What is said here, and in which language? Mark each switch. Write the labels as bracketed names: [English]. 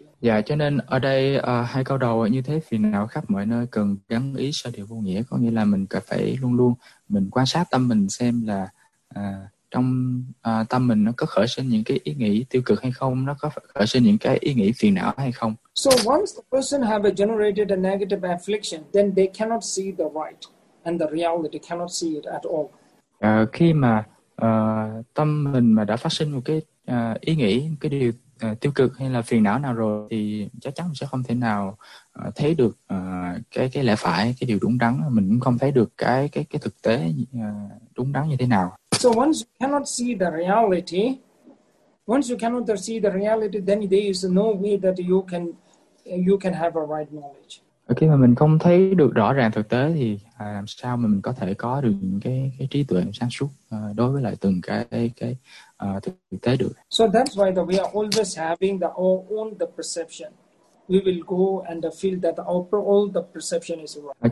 [Vietnamese] Dạ, cho nên ở đây hai câu đầu như thế thì não khắp mọi nơi cần gắn ý sơ điều vô nghĩa, có nghĩa là mình cần phải luôn luôn mình quan sát tâm mình xem là trong tâm mình nó có khởi sinh những cái ý nghĩ tiêu cực hay không, nó có khởi sinh những cái ý nghĩ phiền não hay không. [English] So once the person have generated a negative affliction, then they cannot see the right and the reality, cannot see it at all. [Vietnamese] Khi mà tâm mình mà đã phát sinh một cái ý nghĩ, cái điều tiêu cực hay là phiền não nào rồi thì chắc chắn mình sẽ không thể nào thấy được cái lẽ phải, cái điều đúng đắn, mình cũng không thấy được cái thực tế đúng đắn như thế nào. [English] So once you cannot see the reality, then there is no way that you can have a right knowledge. [Vietnamese] Khi mà mình không thấy được rõ ràng thực tế thì làm sao mà mình có thể có được những cái trí tuệ sáng suốt đối với lại từng cái thực tế được. [English] So that's why that we are always having the our own the perception. We will go and feel that our all the perception is wrong.